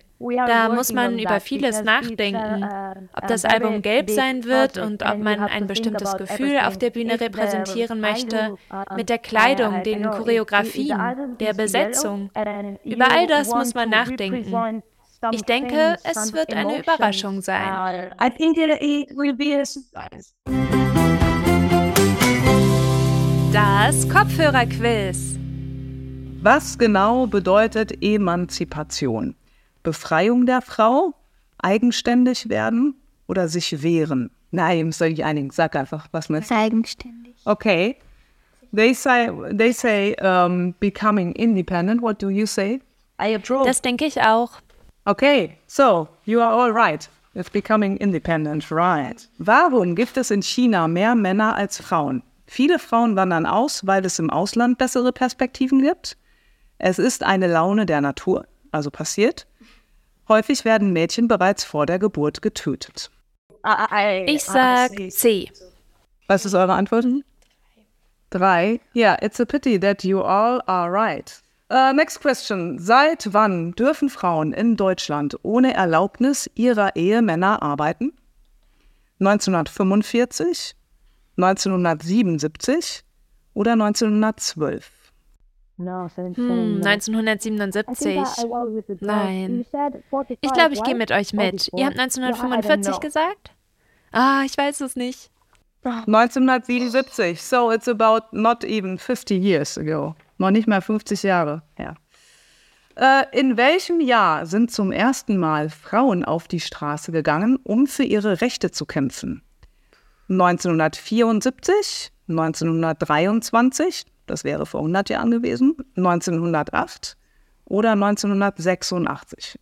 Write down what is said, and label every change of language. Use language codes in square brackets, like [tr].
[de] Da muss man über vieles nachdenken. Ob das Album gelb sein wird und ob man ein bestimmtes Gefühl auf der Bühne repräsentieren möchte, mit der Kleidung, den Choreografien, der Besetzung. Über all das muss man nachdenken. Ich denke, es wird eine Überraschung sein. [en] I think it will be a surprise. [de] Das Kopfhörerquiz. Was genau bedeutet Emanzipation? Befreiung der Frau? Eigenständig werden? Oder sich wehren? Nein, ihr müsst euch nicht einigen. Sag einfach, was man. Eigenständig. Okay. [en] They say becoming independent. What do you say? I approve. [de] Das denke ich auch. [en] Okay, so, you are all right. It's becoming independent, right. [de] Warum gibt es in China mehr Männer als Frauen? Viele Frauen wandern aus, weil es im Ausland bessere Perspektiven gibt. Es ist eine Laune der Natur, also passiert. Häufig werden Mädchen bereits vor der Geburt getötet. Ich sag C. Was ist eure Antwort? Drei. [en] Yeah, it's a pity that you all are right. Next question. [de] Seit wann dürfen Frauen in Deutschland ohne Erlaubnis ihrer Ehemänner arbeiten? 1945, 1977 oder 1912? 1977. Nein. Ich glaube, ich gehe mit euch mit. Ihr habt 1945 gesagt? Ah, ich weiß es nicht. 1977. [en] So it's about not even 50 years ago. [de] Noch nicht mal 50 Jahre her. In welchem Jahr sind zum ersten Mal Frauen auf die Straße gegangen, um für ihre Rechte zu kämpfen? 1974, 1923, das wäre vor 100 Jahren gewesen, 1908 oder 1986?